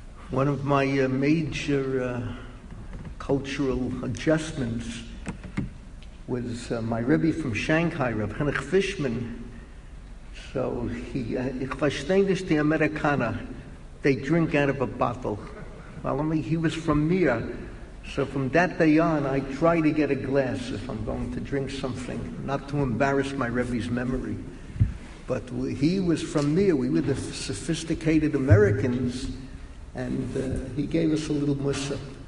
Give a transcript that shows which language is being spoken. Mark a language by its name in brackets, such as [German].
[English] One of my major cultural adjustments was my Rebbe from Shanghai, Rav Henoch Fishman. So he, [German] Ich verstehe die Amerikaner, [English] they drink out of a bottle. Well, I mean, he was from Mir, so from that day on, I try to get a glass if I'm going to drink something, not to embarrass my Rebbe's memory. But he was from Mir, we were the sophisticated Americans, and he gave us a little musa.